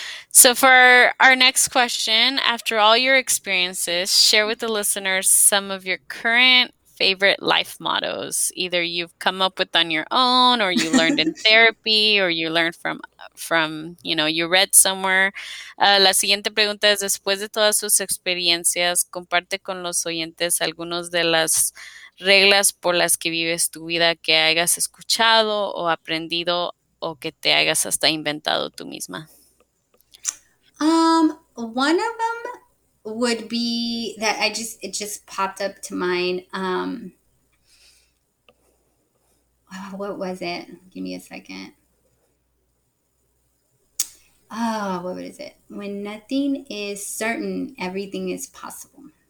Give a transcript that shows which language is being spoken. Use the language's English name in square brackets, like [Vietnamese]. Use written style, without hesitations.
[English] So for our next question, after all your experiences, share with the listeners some of your current favorite life mottos, either you've come up with on your own or you learned in therapy or you learned from you know, you read somewhere. [Spanish] La siguiente pregunta es, después de todas sus experiencias, comparte con los oyentes algunos de las reglas por las que vives tu vida que hayas escuchado o aprendido o que te hayas hasta inventado tú misma. [English] One of them would be that it just popped up to mind. What was it? Give me a second. Oh, what is it? When nothing is certain, everything is possible.